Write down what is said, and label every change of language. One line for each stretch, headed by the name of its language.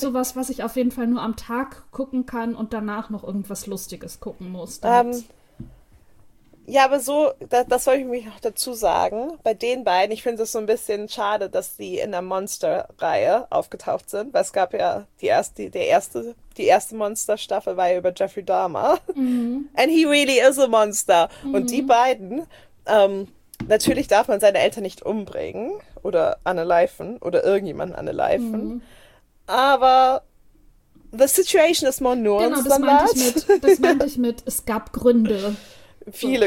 German: sowas, was ich auf jeden Fall nur am Tag gucken kann und danach noch irgendwas Lustiges gucken muss, damit. Ja, aber so, das soll ich mich noch dazu sagen. Bei den beiden, ich finde es so ein bisschen schade, dass sie in der Monster-Reihe aufgetaucht sind, weil es gab ja die erste Monster-Staffel war ja über Jeffrey Dahmer.
English: And he really is a monster.
German: Und die beiden, natürlich darf man seine Eltern nicht umbringen oder unaliven oder irgendjemanden unaliven, aber
English: the situation is more
German: Genau,
English: nuanced than that.
German: das meinte ich mit, es gab Gründe. Viele